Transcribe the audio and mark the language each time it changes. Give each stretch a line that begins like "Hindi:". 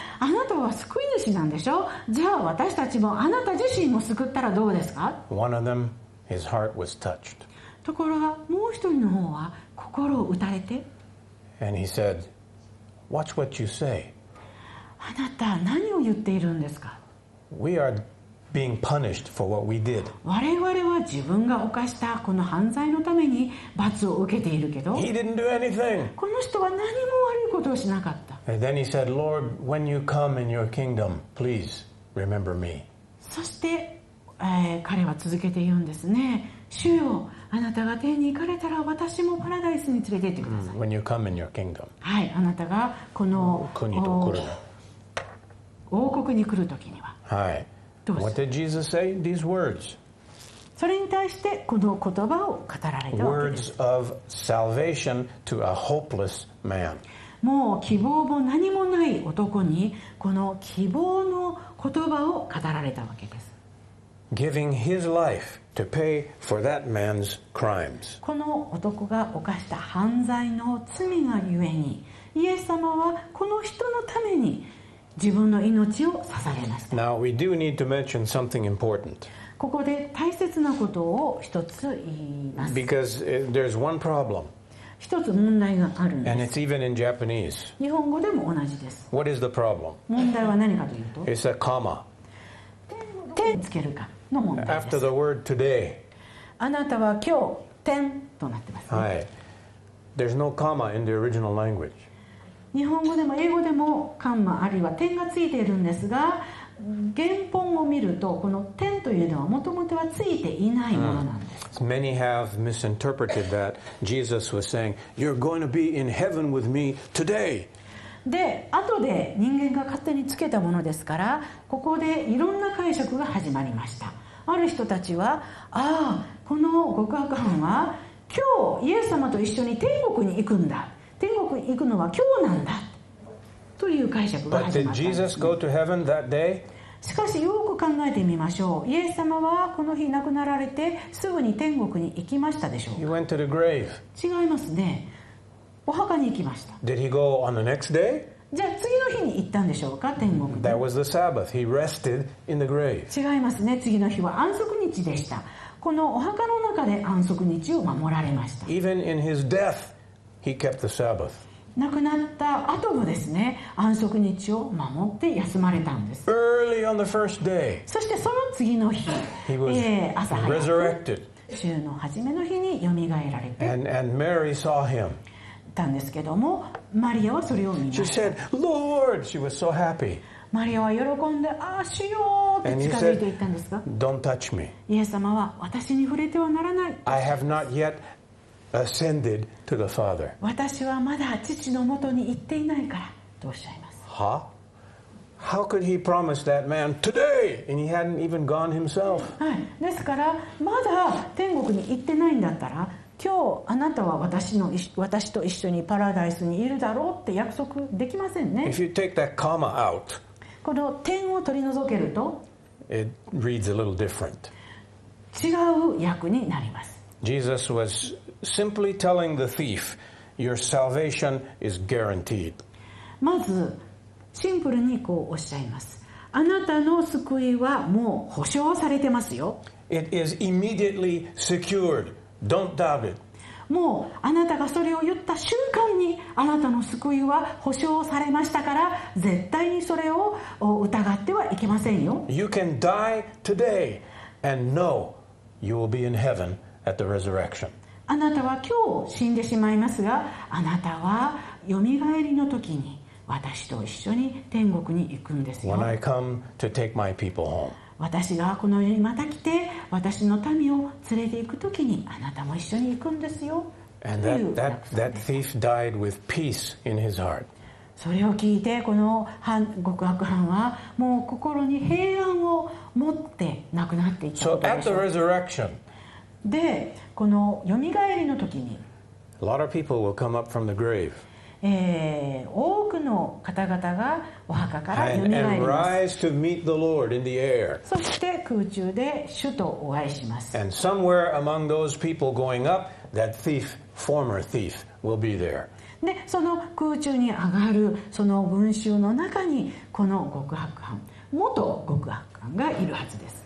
Japanese: あなたは救い主なんでしょ？じゃあ私たちもあなた自身も救ったらどうですか？
English: One of them, his heart was touched.
Japanese: ところがもう一人の方は心を打たれて、
English: And he said, Watch what you say.
Japanese: あなた何を言っているんですか。
English: We are being punished for what we did.
Japanese: 我々は自分が犯したこの犯罪のために罰を受けているけど、
English: He didn't do anything.
Japanese: この人は何も悪いことをしなかった。
English: And then he said, Lord, when you come in your kingdom, please remember me.
Japanese: そして彼は続けて言うんですね。主よ、あなたが天に行かれたら私もパラダイスに連れて行ってください。
English: When you come in your kingdom.
Japanese: はい、あなたがこの国と来る王国に来るときには。はい。どうする
English: ？ What did Jesus say? These words.
Japanese: それに対してこの言葉を語られたわけです。
English: Words of salvation to a hopeless man.
Japanese: もう希望も何もない男にこの希望の言葉を語られたわけです。
English: Giving his life to pay for that man's crimes.
Japanese: この男が犯した犯罪の罪がゆえに、イエス様はこの人のために自分の命を捧げました。
English: Now we do need to mention something important.
Japanese: ここで大切なことを一つ言います。
English: Because there's one problem.
Japanese: 一つ問題があるんです。
English: And it's even in Japanese.
Japanese: 日本語でも同じです。
English: What is the problem?
Japanese: 問題は何かというと、
English: It's a comma.
Japanese: 点をつけるかの問題です。
English: After the word today.
Japanese: あなたは今日、点となってます、ね。
English: はい。There's no comma in the original language.
Japanese: 日本語でも英語でもカンマあるいは点がついているんですが、原本を見るとこの点というのはもともとはついていないものなんです、うん、
English: Many have misinterpreted that Jesus was saying You're going to be in heaven with me today
Japanese: で後で人間が勝手につけたものですからここでいろんな解釈が始まりましたある人たちはああこの極悪犯は今日イエス様と一緒に天国に行くんだ天国に行くのは今日なんだという解釈が始まったんですね。
English: But did Jesus go to heaven that day?
Japanese: しかしよく考えてみましょう。イエス様はこの日亡くなられてすぐに天国に行きましたでしょうか?
English: He went to the grave.
Japanese: 違いますね。お墓に行きました。
English: Did he go on the next day?
Japanese: じゃあ次の日に行ったんでしょうか、天国に。
English: That was the Sabbath. He rested in the grave.
Japanese: 違いますね。次の日は安息日でした。このお墓の中で安息日を守られました。
English: Even in his death, he kept the Sabbath.
Japanese: 亡くなった後もですね、安息日を守って休まれたんです。
English: Early on the first day,
Japanese: そしてその次の日、
English: he was
Japanese: 朝早く
English: resurrected.
Japanese: 週の初めの日によみがえられて、
English: and Mary saw him.
Japanese: たんですけども、マリアはそれを見ました。
English: She said, Lord, she was so happy.
Japanese: マリアは喜んで、ああ、主よって近づいていったんですが、
English: Don't touch me.
Japanese: イエス様は私に触れてはならない。
English: I have not yetAscended to the Father.
Japanese: 私はまだ父のもとに行っていないからとおっしゃいます。
English: は、huh? ？How could he promise that man today? And he hadn't even gone himself.
Japanese: はい。ですからまだ天国に行ってないんだったら、今日あなたは私と一緒にパラダイスにいるだろうって約束できませんね。
English: If you take that comma out,
Japanese: この点を取り除けると、
English: it reads a little different.
Japanese: 違う訳になります。
English: Jesus was simply telling the thief, "Your salvation is guaranteed."
Japanese: まずシンプルにこうおっしゃいます。あなたの救いはもう保証されてますよ。
English: It is immediately secured. Don't doubt it.
Japanese: もうあなたがそれを言った瞬間にあなたの救いは保証されましたから、絶対にそれを疑ってはいけませんよ。
English: You can die today and know you will be in heaven. At the resurrection.
Japanese: あなたは今日死んでしまいますが、あなたはよみがえりの時に私と一緒に天国に行くんですよ。
English: When I come to take my people home.
Japanese: 私がこの世にまた来て私の民を連れて行く時にあなたも一緒に行くんですよ。
English: And that thief died with peace in his heart.
Japanese: それを聞いてこの極悪犯はもう心に平安を持って亡くなっていったことでしょう。
English: So at the resurrection.
Japanese: でこのよみがえりの時に
English: A lot of people will come up from the grave.
Japanese: 多くの方々がお墓からよみがえります
English: and rise to meet the Lord in the air.
Japanese: そして空中で主とお会いします
English: and somewhere among those people going up that thief, former thief, will be there.
Japanese: でその空中に上がるその群衆の中にこの極悪犯元極悪犯がいるはずです。